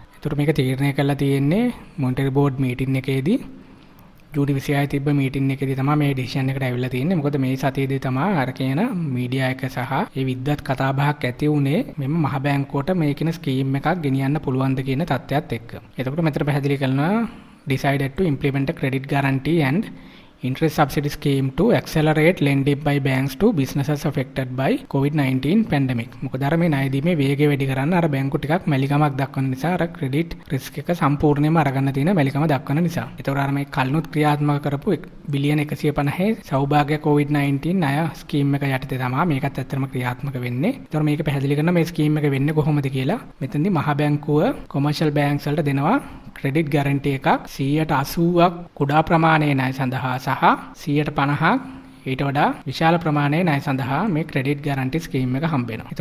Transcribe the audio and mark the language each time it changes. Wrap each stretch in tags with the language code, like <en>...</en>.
<si>ඒතර මේක තීරණය කළා තියෙන්නේ මොනිටරි බෝඩ් මීටින් එකේදී ජූලි 26 තිබ්බ මීටින් එකේදී තමයි මේ ඩිසිෂන් එකට ඇවිල්ලා තියෙන්නේ. මොකද මේ සතියේදී තමයි අර කියන මීඩියා එක සහ ඒ විද්වත් කතාබහක් ඇති වුනේ මෙම මහ බැංකුවට මේකින ස්කීම් එකක් ගෙනියන්න පුළුවන්ද කියන තත්ත්වයක් එක්ක. එතකොට මෙතන පැහැදිලි කරනවා</si> <en>decided to implement a credit guarantee and interest subsidy scheme to accelerate lending by banks to businesses affected by COVID-19 pandemic.</en> <si>මොකදර මේ ණයදීමේ වේගය වැඩි කරන්න අර බැංකු ටිකක් මැලිකමක් දක්වන නිසා අර credit risk එක සම්පූර්ණයෙන්ම අරගන්න තියෙන මැලිකම දක්වන නිසා. ඒතකොට අර මේ කලනුත් ක්‍රියාත්මක කරපු බිලියන 150 සෞභාග්‍ය COVID-19 අය scheme එක යටතේ තමා මේකත් ඇත්තටම ක්‍රියාත්මක වෙන්නේ. ඒතකොට මේක පැහැදිලි කරන මේ scheme එක වෙන්නේ කොහොමද කියලා මෙතනදී මහා බැංකුව commercial banks වලට දෙනවා credit guarantee එකක් 80% කුඩා ප්‍රමාණයේ ණය සඳහා සහ 50% ඊට වඩා විශාල ප්‍රමාණයේ ණය සඳහා මේ credit guarantee scheme එක හම්බ වෙනවා.</si>